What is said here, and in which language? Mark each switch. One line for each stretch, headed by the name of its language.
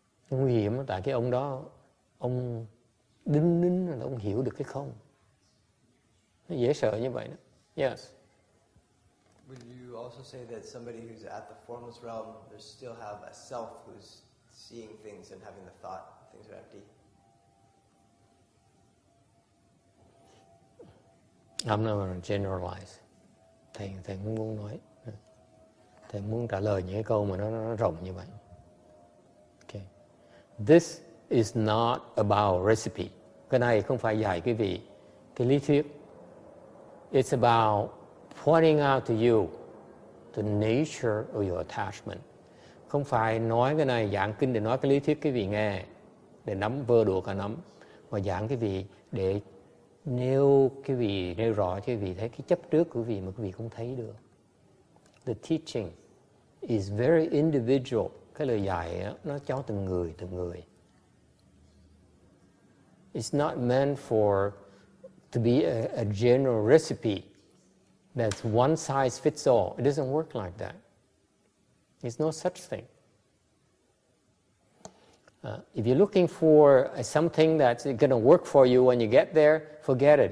Vietnamese: Nguy hiểm tại cái ông đó, ông đinh ninh là ông hiểu được cái không. Nó dễ sợ như vậy đó. Yes.
English: Would you also say that somebody who's at the formless realm, they still have a self who's seeing things and having the thought things are empty. I'm not going to generalize.
Vietnamese: Thầy không muốn nói. Thầy muốn trả lời những câu mà nó rộng như vậy. Okay.
English: This is not about recipe.
Vietnamese: Cái này không phải dạy quý vị cái lý thuyết.
English: It's about pointing out to you the nature of your attachment.
Vietnamese: Không phải nói cái này giảng kinh để nói cái lý thuyết quý vị nghe, để nắm vơ đùa cả nắm, mà giảng quý vị để nêu cái vị, nêu rõ cho quý vị thấy cái chấp trước của quý vị mà quý vị không thấy được.
English: The teaching is very individual.
Vietnamese: Cái lời dạy đó, nó cho từng người, từng người.
English: It's not meant for to be a general recipe that's one size fits all. It doesn't work like that. There's no such thing. If you're looking for something that's going to work for you when you get there, forget it.